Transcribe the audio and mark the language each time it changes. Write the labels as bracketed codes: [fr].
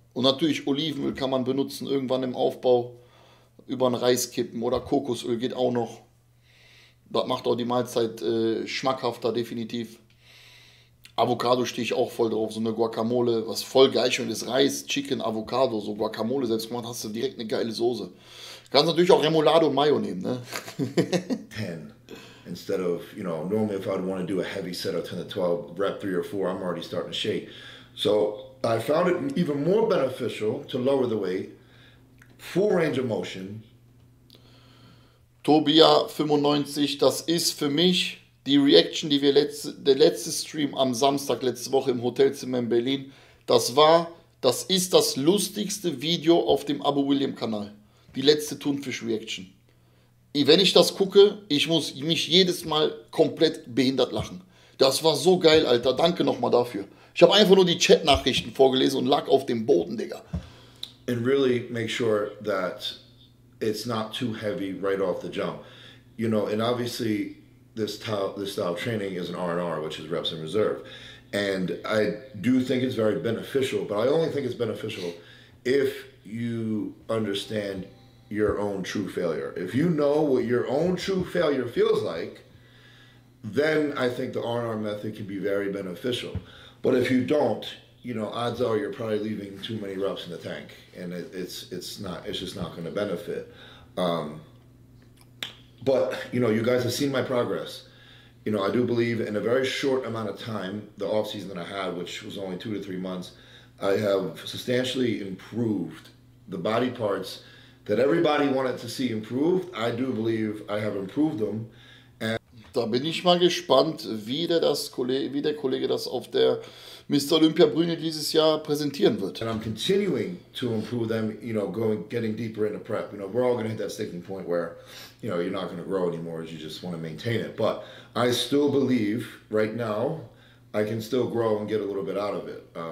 [de] Und natürlich Olivenöl kann man benutzen, irgendwann im Aufbau, über einen Reis kippen, oder Kokosöl geht auch noch. Das macht auch die Mahlzeit schmackhafter, definitiv. Avocado stehe ich auch voll drauf, so eine Guacamole, was voll geil schön ist, Reis, Chicken, Avocado, so Guacamole selbst gemacht, hast du direkt eine geile Soße. Kannst natürlich auch Remoulade und Mayo nehmen, ne? [en] 10, instead of, you know, normally if I'd want to do a heavy set of 10 to 12, rep 3 or 4, I'm already starting to shake. So, I found it even more beneficial to lower the weight, full range of motion. [de] Tobia 95, das ist für mich die Reaction, die wir der letzte Stream am Samstag letzte Woche im Hotelzimmer in Berlin, das ist das lustigste Video auf dem Abo Wiliiam Kanal. Die letzte Thunfisch-Reaction. Wenn ich das gucke, ich muss mich jedes Mal komplett behindert lachen. Das war so geil, Alter. Danke nochmal dafür. Ich habe einfach nur die Chat-Nachrichten vorgelesen und lag auf dem Boden, Digga. [en] And really make sure that it's not too heavy right off the jump. You know, and obviously this style of training is an R&R, which is reps in reserve. And I do think it's very beneficial, but I only think it's beneficial if you understand your own true failure. If you know what your own true failure feels like, then I think the R&R method can be very beneficial. But if you don't, you know, odds are you're probably leaving too many reps in the tank, and it's just not going to benefit. But you know, you guys have seen my progress. You know, I do believe in a very short amount of time, the off season that I had, which was only 2 to 3 months, I have substantially improved the body parts that everybody wanted to see improved. I do believe I have improved them. And [de] da bin ich mal gespannt, wie der Kollege das auf der Mr. Olympia Brüne dieses Jahr präsentieren wird. [en] And I'm continuing to improve them, you know, getting deeper into prep. You know, we're all going to hit that sticking point where, you know, you're not going to grow anymore, you just want to maintain it. But I still believe right now I can still grow and get a little bit out of it.